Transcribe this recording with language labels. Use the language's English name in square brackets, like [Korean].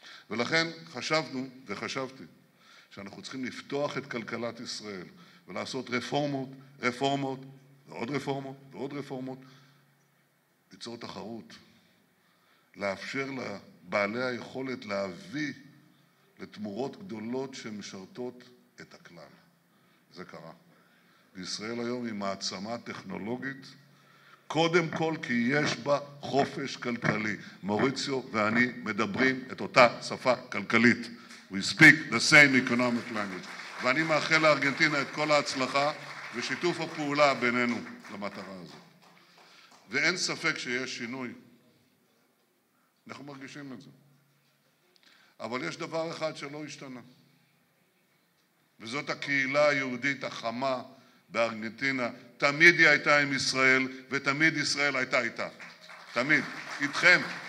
[Hebrew] ולכן חשבנו, וחשבתי, שאנחנו צריכים לפתוח את כלכלת ישראל ולעשות רפורמות, רפורמות, ועוד רפורמות, ועוד רפורמות, ליצור תחרות, לאפשר לבעלי היכולת להביא לתמורות גדולות שמשרתות את הכלל. זה קרה. ישראל היום היא מעצמה טכנולוגית, קודם כל כי יש בה חופש כלכלי. מוריציו ואני מדברים את אותה שפה כלכלית. [English] We speak the same economic language. [Hebrew] ואני מאחל לארגנטינה את כל ההצלחה ושיתוף הפעולה בינינו למטרה הזאת. ואין ספק שיש שינוי. אנחנו מרגישים את זה. אבל יש דבר אחד שלא השתנה. וזאת הקהילה היהודית החמה, בארגנטינה, תמיד היא הייתה עם ישראל, ותמיד ישראל הייתה איתה. תמיד. איתכם.